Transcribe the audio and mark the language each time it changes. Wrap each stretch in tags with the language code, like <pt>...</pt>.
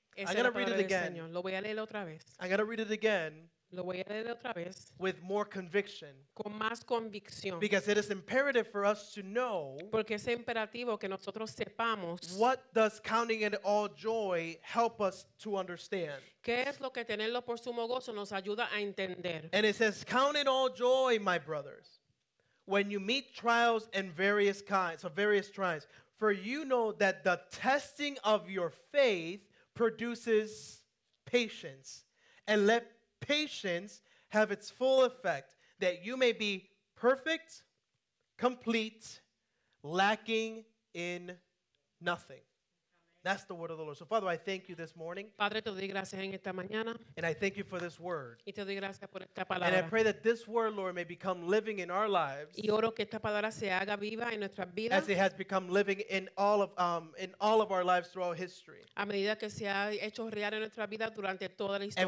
<en>I'm going to read it again.</en> <es>Lo voy a leer otra vez.</es> <en>I'm going to read it again.</en> <es>Lo voy a leer otra vez.</es> <en>With more conviction.</en> <es>Con más convicción.</es> <en>Because it is imperative for us to know.</en> <es>Porque es imperativo que nosotros sepamos.</es> <en>What does counting it all joy help us to understand?</en> <es>¿Qué es lo que tenerlo por sumo gozo nos ayuda a entender?</es> <en>And it says, count it all joy, my brothers, when you meet trials and various kinds, of various trials, for you know that the testing of your faith produces patience, and let patience have its full effect, that you may be perfect, complete, lacking in nothing. That's the word of the Lord. So, Father, I thank you this morning.</en> <es>Padre, te doy gracias en esta mañana.</es> <en>And I thank you for this word.</en> <es>Y te doy gracias por esta palabra.</es> <en>And I pray that this word, Lord, may become living in our lives.</en> <es>Y oro que esta palabra se haga viva en nuestras vidas.</es> <en>As it has become living in all of our lives throughout history.</en> <es>A medida que se ha hecho real en nuestra vida durante toda la historia.</es>